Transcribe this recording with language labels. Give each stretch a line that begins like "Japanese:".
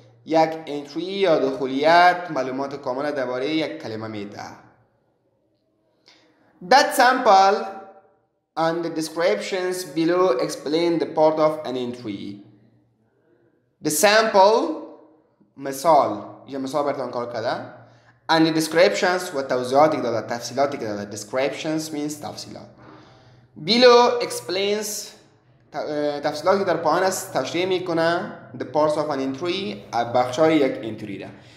Persian: یک انتری یا دخولیت معلومات کامل درباره یک کلمه میده.
English: That sample and the descriptions below explain the part of an entry. The sample,
Persian: مثال, یه مثال برتان کار کرده.
English: And the descriptions,
Persian: و توضیحاتی که داده, تفصیلاتی که داده.
English: Descriptions means
Persian: تفصیلات.
English: Below explains,
Persian: تفصیلاتی که در پایان است, تشریح میکنه
English: the parts of an entry,
Persian: بخشای یک entry ده.